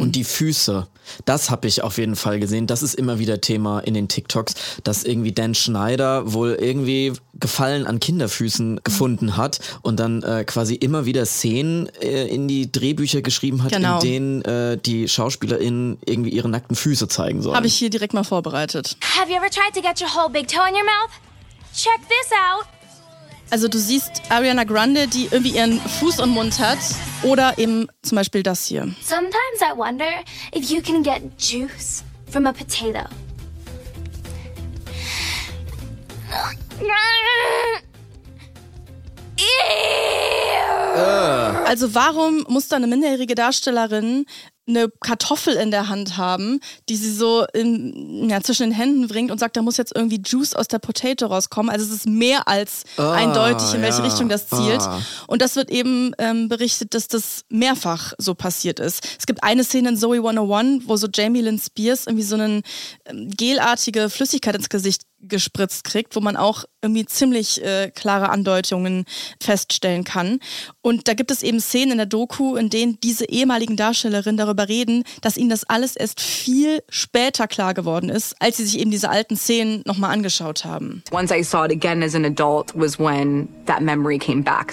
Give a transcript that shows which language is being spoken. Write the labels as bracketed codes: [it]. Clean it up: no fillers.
[de] Und die Füße, das habe ich auf jeden Fall gesehen. Das ist immer wieder Thema in den TikToks, dass irgendwie Dan Schneider wohl irgendwie Gefallen an Kinderfüßen gefunden hat und dann quasi immer wieder Szenen in die Drehbücher geschrieben hat, genau, in denen die SchauspielerInnen irgendwie ihre nackten Füße zeigen sollen. Habe ich hier direkt mal vorbereitet. [en] Have you ever tried to get your whole big toe in your mouth? Check this out. [de] Also du siehst Ariana Grande, die irgendwie ihren Fuß im Mund hat oder eben zum Beispiel das hier. [en] Sometimes I wonder if you can get juice from a potato. [de] Also warum muss da eine minderjährige Darstellerin eine Kartoffel in der Hand haben, die sie so zwischen den Händen bringt und sagt, da muss jetzt irgendwie Juice aus der Potato rauskommen. Also es ist mehr als eindeutig, in welche Richtung das zielt. Und das wird eben berichtet, dass das mehrfach so passiert ist. Es gibt eine Szene in Zoe 101, wo so Jamie Lynn Spears irgendwie so eine gelartige Flüssigkeit ins Gesicht gespritzt kriegt, wo man auch irgendwie ziemlich klare Andeutungen feststellen kann. Und da gibt es eben Szenen in der Doku, in denen diese ehemaligen Darstellerinnen darüber reden, dass ihnen das alles erst viel später klar geworden ist, als sie sich eben diese alten Szenen nochmal angeschaut haben. [en] Once I saw it again as an adult was when that memory came back.